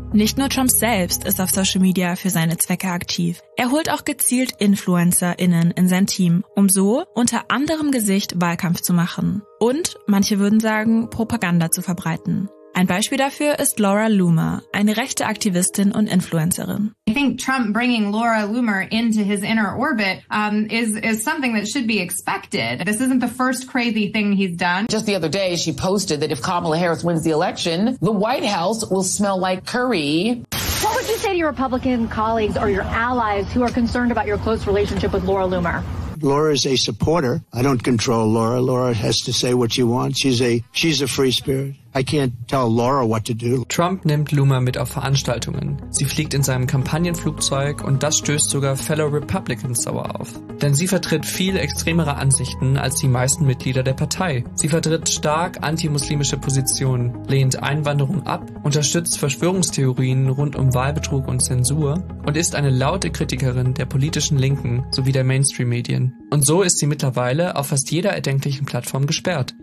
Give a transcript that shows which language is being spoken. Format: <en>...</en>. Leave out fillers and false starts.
<de>Nicht nur Trump selbst ist auf Social Media für seine Zwecke aktiv. Er holt auch gezielt InfluencerInnen in sein Team, um so unter anderem Gesicht Wahlkampf zu machen. Und, manche würden sagen, Propaganda zu verbreiten. Ein Beispiel dafür ist Laura Loomer, eine rechte Aktivistin und Influencerin.</de> <en>I think Trump bringing Laura Loomer into his inner orbit is something that should be expected. This isn't the first crazy thing he's done. Just the other day, she posted that if Kamala Harris wins the election, the White House will smell like curry. What would you say to your Republican colleagues or your allies who are concerned about your close relationship with Laura Loomer? Laura is a supporter. I don't control Laura. Laura has to say what she wants. She's a free spirit. I can't tell Laura what to do.</en> <de>Trump nimmt Loomer mit auf Veranstaltungen. Sie fliegt in seinem Kampagnenflugzeug und das stößt sogar</de> <en>Fellow Republicans</en> <de>sauer auf. Denn sie vertritt viel extremere Ansichten als die meisten Mitglieder der Partei. Sie vertritt stark antimuslimische Positionen, lehnt Einwanderung ab, unterstützt Verschwörungstheorien rund um Wahlbetrug und Zensur und ist eine laute Kritikerin der politischen Linken sowie der Mainstream-Medien. Und so ist sie mittlerweile auf fast jeder erdenklichen Plattform gesperrt.</de>